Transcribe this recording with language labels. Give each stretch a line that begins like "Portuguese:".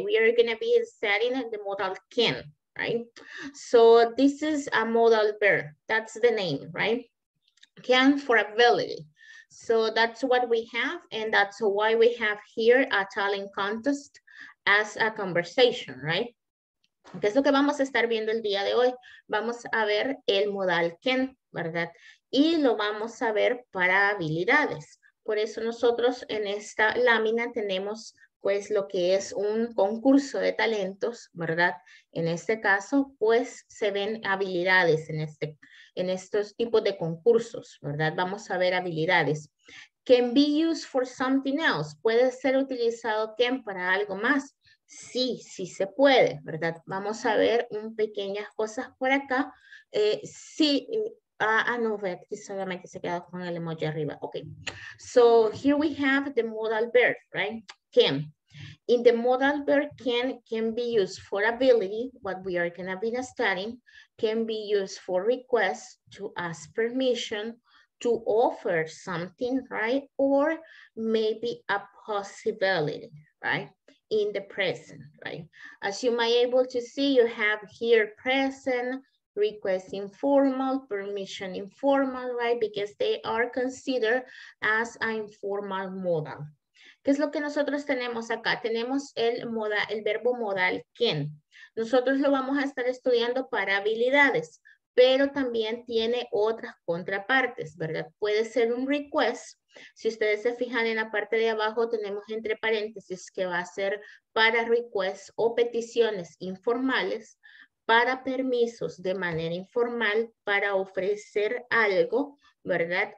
English: We are going to be studying the modal can, right? So this is a modal verb. That's the name, right? Can for ability. So that's what we have, and that's why we have here a talent contest as a conversation, right?
Spanish: ¿Qué es lo que vamos a estar viendo el día de hoy? Vamos a ver el modal can, ¿verdad? Y lo vamos a ver para habilidades. Por eso nosotros en esta lámina tenemos pues lo que es un concurso de talentos, ¿verdad? En este caso, pues se ven habilidades en este, en estos tipos de concursos, ¿verdad? Vamos a ver habilidades.
English: Can be used for something else.
Spanish: Puede ser utilizado can para algo más. Sí, sí se puede, ¿verdad? Vamos a ver un pequeñas cosas por acá. Sí, no, Beatriz solamente se quedó con el emoji arriba.
English: Ok, so here we have the modal verb, right? Can. In the modal verb, can be used for ability, what we are going to be studying, can be used for request, to ask permission, to offer something, right? Or maybe a possibility, right? In the present, right? As you might able to see, you have here present, request informal, permission informal, right? Because they are considered as an informal modal.
Spanish: ¿Qué es lo que nosotros tenemos acá? Tenemos el modal, el verbo modal can. Nosotros lo vamos a estar estudiando para habilidades, pero también tiene otras contrapartes, ¿verdad? Puede ser un request. Si ustedes se fijan en la parte de abajo, tenemos entre paréntesis que va a ser para requests o peticiones informales, para permisos de manera informal, para ofrecer algo, ¿verdad?